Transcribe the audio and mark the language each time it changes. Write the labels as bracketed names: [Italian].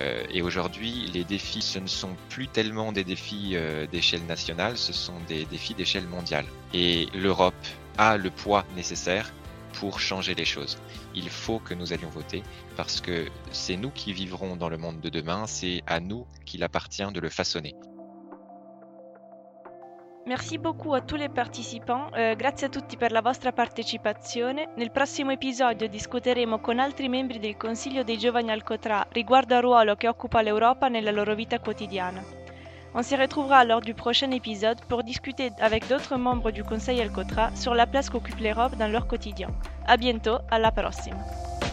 [French] Et aujourd'hui, les défis, ce ne sont plus tellement des défis d'échelle nationale, ce sont des défis d'échelle mondiale. Et l'Europe a le poids nécessaire pour changer les choses. Il faut que nous allions voter, parce que c'est nous qui vivrons dans le monde de demain, c'est à nous qu'il appartient de le façonner. Merci beaucoup à tous les participants, [Italian] grazie a tutti per la vostra partecipazione. Nel prossimo episodio discuteremo con altri membri del Consiglio dei Giovani Alcotra riguardo al ruolo che occupa l'Europa nella loro vita quotidiana. [French] On se retrouvera lors du prochain épisode pour discuter avec d'autres membres du Conseil Alcotra sur la place qu'occupe l'Europe dans leur quotidien. À bientôt, [Italian] alla prossima!